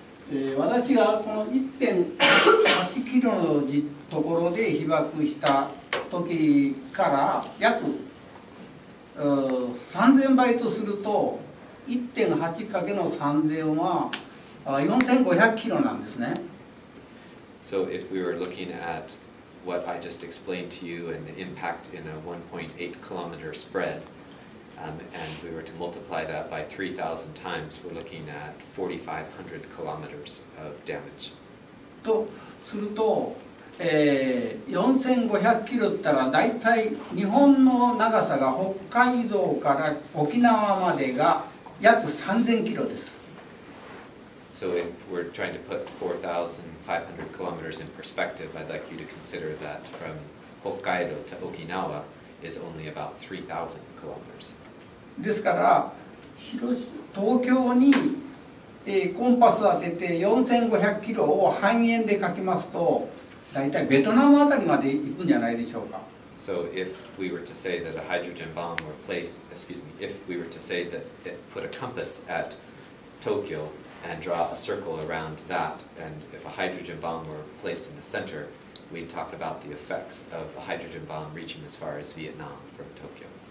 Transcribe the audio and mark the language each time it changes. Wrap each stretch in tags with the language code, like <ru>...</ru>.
<ja>で、私がこの1.8キロの時ところで被爆した時から約3000倍とすると1.8×3000は 4500キロなんですね。</ja> <en>So if we were looking at what I just explained to you and the impact in a 1.8 kilometer spread, and we were to multiply that by 3000 times, we're looking at 4500 kilometers of damage.</en> <ja>とすると 4500キロったら大体日本の長さが北海道から沖縄までが約3000キロです。</ja> <en>So if we're trying to put 4,500 kilometers in perspective, I'd like you to consider that from Hokkaido to Okinawa is only about 3,000 kilometers.</en> <ja>ですから、東京にコンパスを当てて4,500キロを半円で書きますと、大体ベトナムあたりまで行くんじゃないでしょうか。</ja> <en>So if we were to say that a hydrogen bomb were placed, excuse me, if we were to say that it put a compass at Tokyo, and draw a circle around that, and if a hydrogen bomb were placed in the center, we'd talk about the effects of a hydrogen bomb reaching as far as Vietnam from Tokyo.</en>